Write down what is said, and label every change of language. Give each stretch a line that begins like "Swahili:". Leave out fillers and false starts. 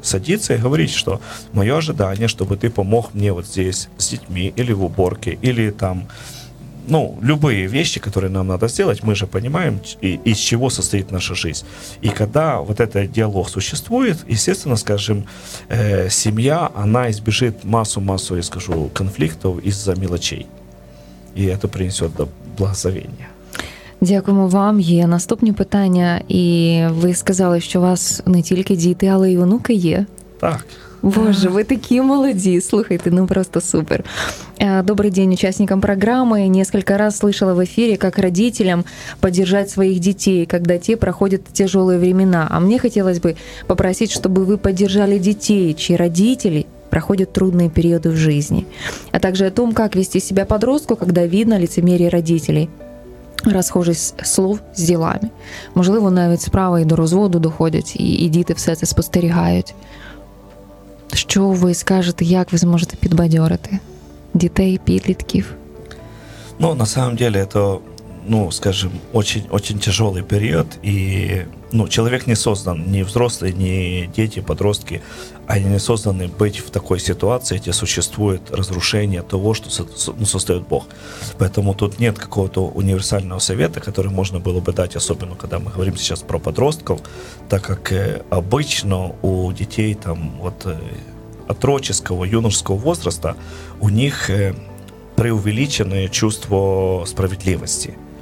Russian: Садиться и говорить, что мое ожидание, чтобы ты помог мне вот здесь с детьми, или в уборке, или там, любые вещи, которые нам надо сделать, мы же понимаем, из чего состоит наша жизнь. И когда вот этот диалог существует, естественно, семья, она избежит массу, конфликтов из-за мелочей. И это принесет благословение.
Ukrainian: Дякуємо вам. Є наступні питання. І ви сказали, що у вас не тільки діти, але й онуки є. Так. Боже, ви такі молоді. Слухайте, просто супер.
Russian: Добрый день участникам программы. Несколько раз слышала в эфире, как родителям поддержать своих детей, когда те проходят тяжелые времена. А мне хотелось бы попросить, чтобы вы поддержали детей, чьи родители проходят трудные периоды в жизни. А также о том, как вести себя подростку, когда видно лицемерие родителей.
Ukrainian: Розхожість слов з ділами. Можливо, навіть справа і до розводу доходять, і діти все це спостерігають. Що ви скажете, як ви зможете підбадьорити дітей, підлітків?
Russian: На самом деле,
Ukrainian: це
Russian: ну, скажем, очень-очень тяжелый период, и, ну, человек не создан, ни взрослые, ни дети, подростки, они не созданы быть в такой ситуации, где существует разрушение того, что создает Бог. Поэтому тут нет какого-то универсального совета, который можно было бы дать, особенно когда мы говорим сейчас про подростков, так как обычно у детей там вот отроческого, юношеского возраста у них преувеличенное чувство справедливости.